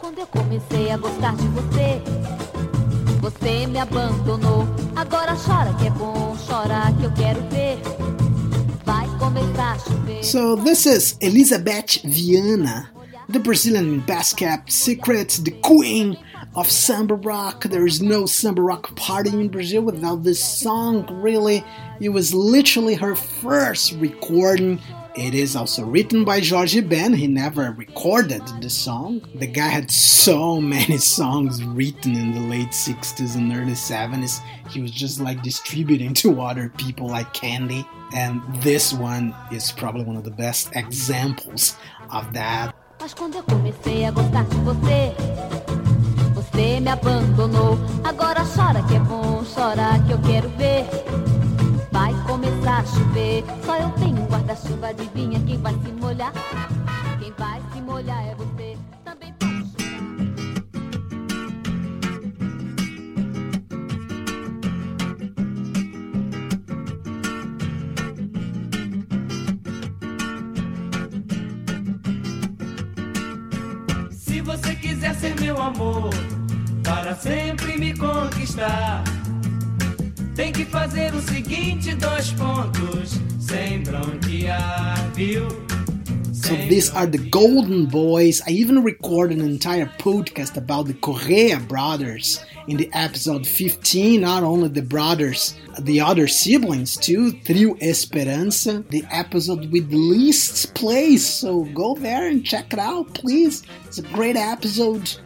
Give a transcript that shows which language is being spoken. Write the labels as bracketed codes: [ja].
[pt] Comecei a gostar de você, você me abandonou. Agora chora que é bom, chora que eu quero ver. Vai começar a chover. [en] So this is Elizabeth Viana, the Brazilian best kept secret, the queen of Samba Rock. There is no Samba Rock party in Brazil without this song, really. It was literally her first recording It is also written by Jorge Ben. He never recorded the song. The guy had so many songs written in the late 60s and early 70s. He was just like distributing to other people like candy. And this one is probably one of the best examples of that. [pt] Mas quando eu comecei a gostar de você, você me abandonou. Agora chora que é bom, chora que eu quero ver. Vai começar a chover, só eu tenho um guarda-chuva. Adivinha quem vai se molhar? Quem vai se molhar é você. Também pode chover. Se você quiser ser meu amor, para sempre me conquistar, tem que fazer o seguinte, dois pontos, sem bronquear, viu? [en] So these are the Golden Boys. I even recorded an entire podcast about the Correa brothers in the episode 15. Not only the brothers, the other siblings too, Trio Esperança, the episode with least plays. So go there and check it out, please. It's a great episode.